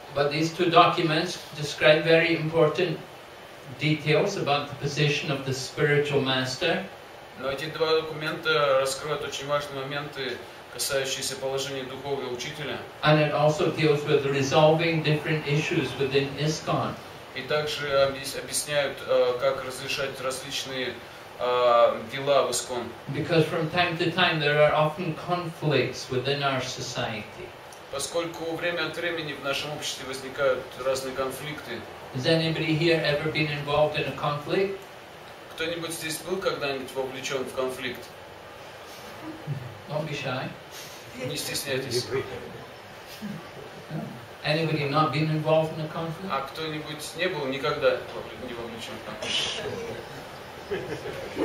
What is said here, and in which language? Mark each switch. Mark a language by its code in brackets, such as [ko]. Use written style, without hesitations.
[en] But these two documents describe very important details about the position of the spiritual master. [ru] Но эти два документа раскроют очень важные моменты, касающиеся положения духовного учителя. [en] And it also deals with resolving different issues within ISKCON. [ru] И также объясняют, как разрешать различные дела в ИСККОН. [en] Because from time to time there are often conflicts within our society. [ru] Поскольку время от времени в нашем обществе возникают разные конфликты. [en] Has anybody here ever been involved in a conflict? [ru] Кто-нибудь здесь был когда-нибудь вовлечен в конфликт? [en] Don't be shy. [ru] Не стесняйтесь. [en] Anybody not been involved in a conflict? [ru] А кто-нибудь не был никогда не вовлечен в